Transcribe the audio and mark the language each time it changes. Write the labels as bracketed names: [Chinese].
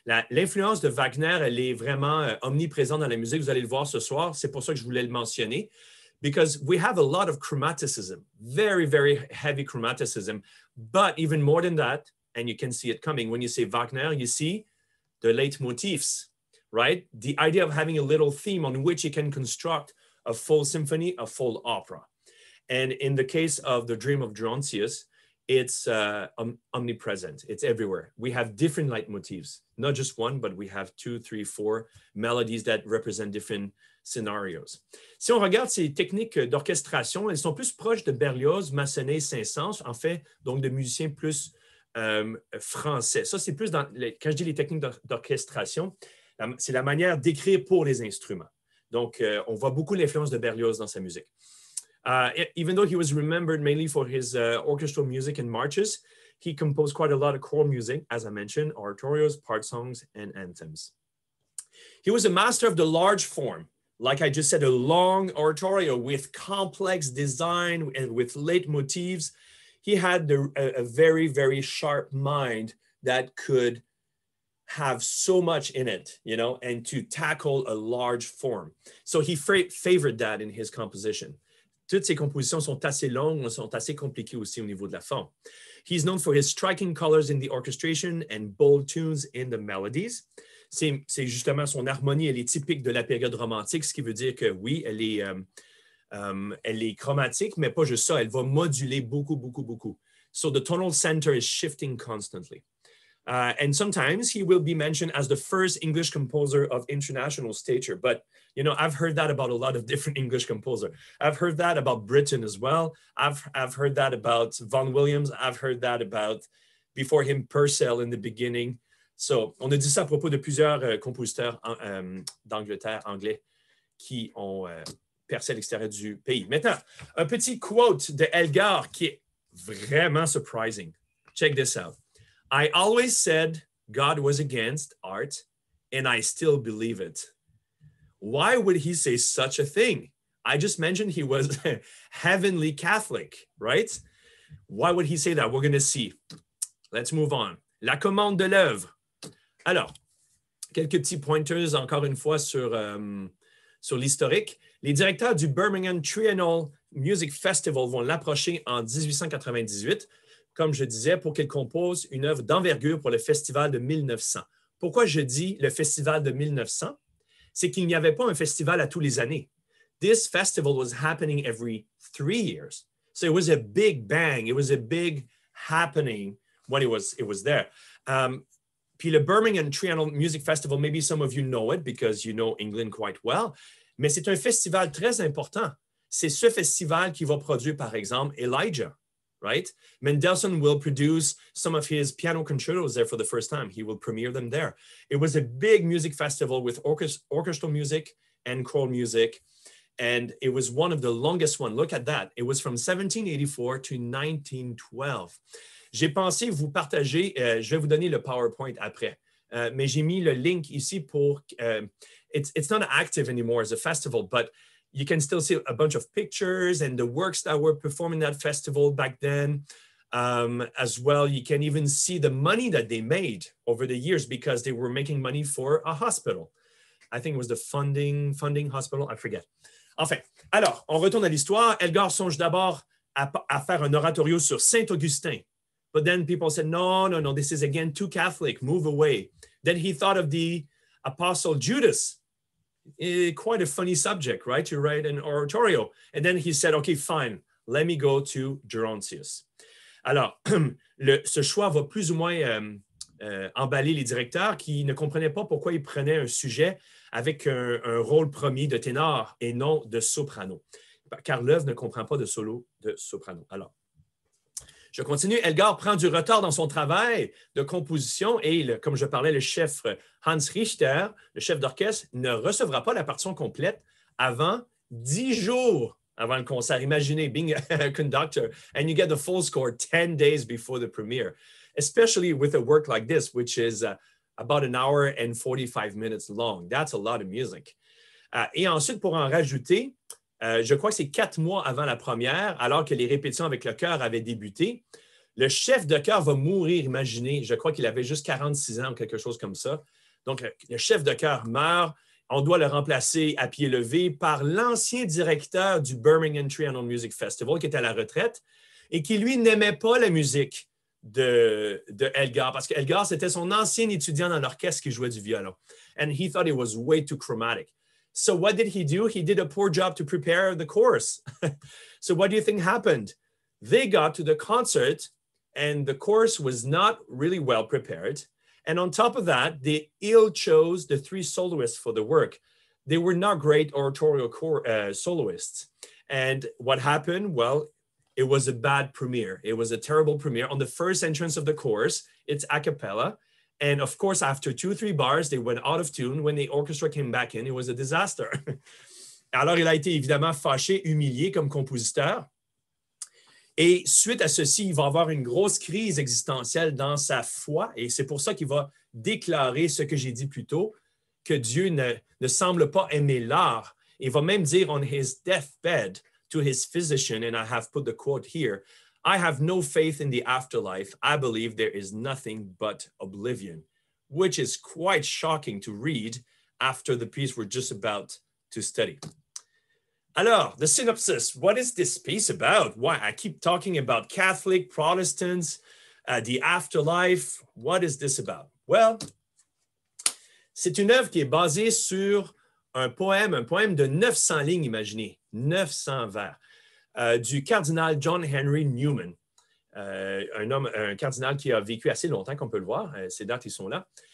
[French] L'influence de Wagner, elle est vraiment omniprésente dans la musique. Vous allez le voir ce soir. C'est pour ça que je voulais le mentionner. [English] Because we have a lot of chromaticism, very, very heavy chromaticism. But even more than that, and you can see it coming, when you say Wagner, you see the leitmotifs, right? The idea of having a little theme on which you can construct a full symphony, a full opera. And in the case of The Dream of Gerontius, it's omnipresent, it's everywhere. We have different leitmotifs, not just one, but we have two, three, four melodies that represent different scenarios. [French] Si on regarde ces techniques d'orchestration, elles sont plus proches de Berlioz, Massenet, Saint-Saëns, en fait, donc de musiciens plus français. Ça, c'est plus dans, quand je dis les techniques d'orchestration, c'est la manière d'écrire pour les instruments. Donc, on voit beaucoup l'influence de Berlioz dans sa musique. [English] Even though he was remembered mainly for his orchestral music and marches, he composed quite a lot of choral music, as I mentioned, oratorios, part songs, and anthems. He was a master of the large form. Like I just said, a long oratorio with complex design and with leitmotifs. He had a very, very sharp mind that could have so much in it, you know, and to tackle a large form. So he favored that in his composition. [French] Toutes ses compositions sont assez longues, sont assez compliquées aussi au niveau de la forme. [English] He's known for his striking colors in the orchestration and bold tunes in the melodies. [French] C'est justement son harmonie, elle est typique de la période romantique, ce qui veut dire que oui, elle est chromatique, mais pas juste ça, elle va moduler beaucoup, beaucoup, beaucoup. [English] So the tonal center is shifting constantly. And sometimes he will be mentioned as the first English composer of international stature. But, you know, I've heard that about a lot of different English composers. I've heard that about Britain as well. I've heard that about Vaughan Williams. I've heard that about, before him, Purcell in the beginning. [French] So, on a dit ça à propos de plusieurs compositeurs d'Angleterre, anglais, qui ont percé à l'extérieur du pays. Maintenant, un petit quote de Elgar qui est vraiment surprising. [English] Check this out. I always said God was against art, and I still believe it. Why would he say such a thing? I just mentioned he was heavenly Catholic, right? Why would he say that? We're going to see. Let's move on. [French] La commande de l'œuvre. Alors, quelques petits pointers encore une fois sur, sur l'historique. Les directeurs du Birmingham Triennial Music Festival vont l'approcher en 1898, comme je disais, pour qu'il compose une œuvre d'envergure pour le festival de 1900. Pourquoi je dis le festival de 1900? C'est qu'il n'y avait pas un festival à tous les années. [English] This festival was happening every 3 years. So it was a big bang. It was a big happening when it was there. [French] Puis le [English] Birmingham Triennial Music Festival, maybe some of you know it because you know England quite well. [French] Mais c'est un festival très important. C'est ce festival qui va produire, par exemple, Elijah. [English] right? Mendelssohn will produce some of his piano concertos there for the first time. He will premiere them there. It was a big music festival with orchestral music and choral music. And it was one of the longest ones. Look at that. It was from 1784 to 1912. [French] J'ai pensé vous partager, je vais vous donner le PowerPoint après. Mais j'ai mis le link ici pour, [English] it's not active anymore as a festival, but you can still see a bunch of pictures and the works that were performing that festival back then. As well, you can even see the money that they made over the years because they were making money for a hospital. I think it was the funding hospital, I forget. [French] Enfin, alors, on retourne à l'histoire. Elgar songe d'abord à faire un oratorio sur Saint-Augustin. [English] But then people said, no, this is again too Catholic, move away. Then he thought of the Apostle Judas. Quite a funny subject, right? To write an oratorio. And then he said, okay, fine, let me go to Gerontius. [French] Alors, ce choix va plus ou moins emballer les directeurs qui ne comprenaient pas pourquoi ils prenaient un sujet avec un rôle premier de ténor et non de soprano. Car l'œuvre ne comprend pas de solo de soprano. Alors, je continue. Elgar prend du retard dans son travail de composition et, comme je parlais, le chef Hans Richter, le chef d'orchestre, ne recevra pas la partition complète avant 10 jours avant le concert. Imaginez, [English] being a conductor, and you get the full score 10 days before the premiere, especially with a work like this, which is about an hour and 45 minutes long. That's a lot of music. [French] Et ensuite, pour en rajouter, je crois que c'est 4 mois avant la première, alors que les répétitions avec le chœur avaient débuté. Le chef de chœur va mourir, imaginez. Je crois qu'il avait juste 46 ans ou quelque chose comme ça. Donc, le chef de chœur meurt. On doit le remplacer à pied levé par l'ancien directeur du Birmingham Trianon Music Festival, qui était à la retraite, et qui, lui, n'aimait pas la musique de Elgar, parce qu'Elgar, c'était son ancien étudiant dans l'orchestre qui jouait du violon. [English] And he thought it was way too chromatic. So what did he do? He did a poor job to prepare the chorus. So what do you think happened? They got to the concert and the chorus was not really well prepared. And on top of that, they ill chose the 3 soloists for the work. They were not great oratorial soloists. And what happened? Well, it was a bad premiere. It was a terrible premiere. On the first entrance of the chorus, it's a cappella. And of course, after 2-3 bars, they went out of tune. When the orchestra came back in, it was a disaster. [French] Alors, il a été évidemment fâché, humilié comme compositeur. Et suite à ceci, il va avoir une grosse crise existentielle dans sa foi. Et c'est pour ça qu'il va déclarer ce que j'ai dit plus tôt, que Dieu ne semble pas aimer l'art. Il va même dire, [English] on his deathbed to his physician, and I have put the quote here, I have no faith in the afterlife. I believe there is nothing but oblivion, which is quite shocking to read after the piece we're just about to study. Alors, the synopsis, what is this piece about? Why I keep talking about Catholic, Protestants, the afterlife, what is this about? [French] Well, c'est une œuvre qui est basée sur un poème de 900 lignes, imaginez, 900 vers. Du cardinal John Henry Newman, un cardinal qui a vécu assez longtemps, qu'on peut le voir, ces dates, ils sont là.